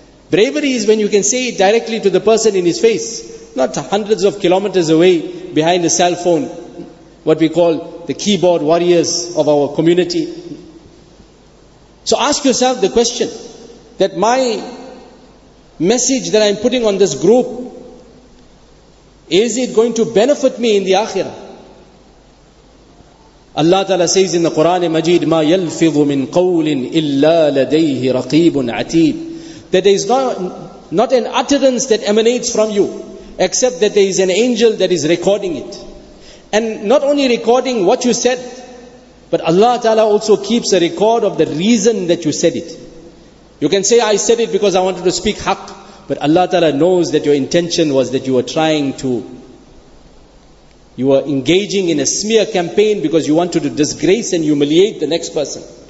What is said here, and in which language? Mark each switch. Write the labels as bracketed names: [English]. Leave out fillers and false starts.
[English] Bravery is when you can say it directly to the person in his face, not hundreds of kilometers away behind a cell phone, what we call the keyboard warriors of our community. So ask yourself the question, that my message that I'm putting on this group, is it going to benefit me in the Akhirah? Allah Ta'ala says in the Quran Majid, [Arabic] مَا يَلْفِظُ مِنْ قَوْلٍ إِلَّا لَدَيْهِ رَقِيبٌ عَتِيدٌ. [English] That there is not an utterance that emanates from you, except that there is an angel that is recording it. And not only recording what you said, but Allah Ta'ala also keeps a record of the reason that you said it. You can say, I said it because I wanted to speak haq. But Allah Ta'ala knows that your intention was that you were trying to, you were engaging in a smear campaign because you wanted to disgrace and humiliate the next person.